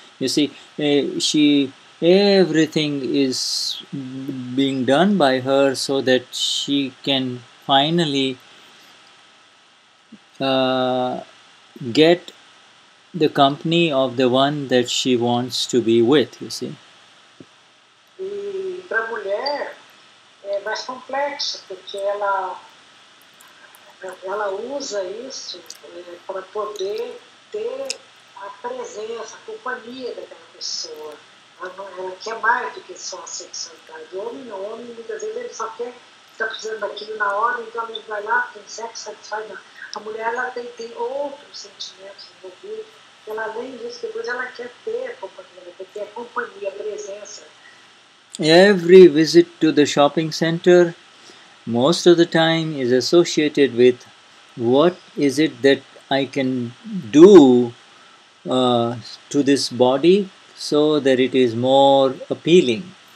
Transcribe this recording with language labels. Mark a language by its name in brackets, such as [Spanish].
[English] You see, everything is being done by her so that she can finally get the company of the one that she wants to be with, you see. [Portuguese] E para a mulher é mais complexo, porque ela usa isso para poder ter a presença, a companhia daquela pessoa. Ela quer mais do que só a sexualidade. O homem, muitas vezes, ele só quer, está precisando daquilo na hora, então ele vai lá, tem sexo, satisfaz. A mulher, ela tem outros sentimentos envolvidos. Ela, além disso, depois ela quer ter a companhia, ela quer ter a companhia, a presença. [English] Every visit to the shopping center, most of the time, is associated with what is it that I can do to this body, so that it is more appealing.